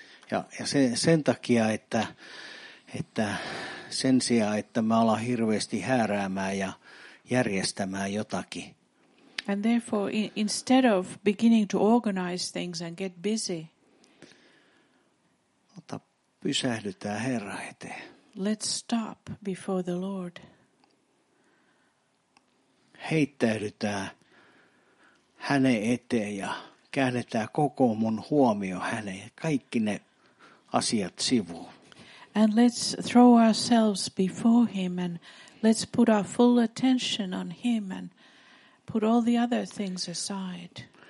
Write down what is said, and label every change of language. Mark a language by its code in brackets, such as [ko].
[fi] Ja sen takia, että sen sijaan, että mä alan hirveästi hääräämään ja järjestämään jotakin. [en] And therefore, instead of beginning to organize things and get busy, [fi] pysähdytään Herran eteen. [en] Let's stop before the Lord. [fi] Heittäydytään hänen eteen ja käännetään koko mun huomio häneen, kaikki ne asiat sivuun. [en] And let's throw ourselves before him and let's put our full attention on him and put all the other things aside.